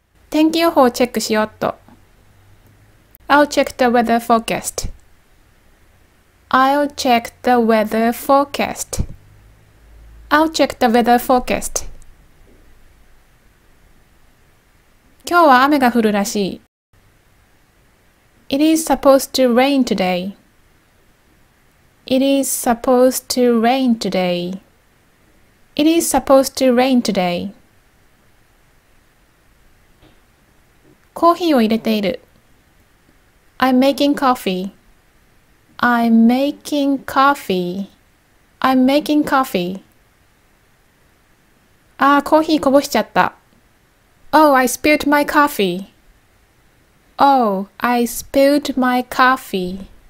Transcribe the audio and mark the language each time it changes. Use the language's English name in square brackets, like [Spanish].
[Japanese] 天気予報をチェックしようっと。 [English] I'll check the weather forecast. I'll check the weather forecast. I'll check the weather forecast. [Japanese] 今日は雨が降るらしい。 [English] It is supposed to rain today. It is supposed to rain today. It is supposed to rain today. [Japanese] コーヒーを入れている。 [English] I'm making coffee. I'm making coffee. I'm making coffee. [Japanese] ああ、コーヒーこぼしちゃった。 [English] Oh, I spilled my coffee. Oh, I spilled my coffee.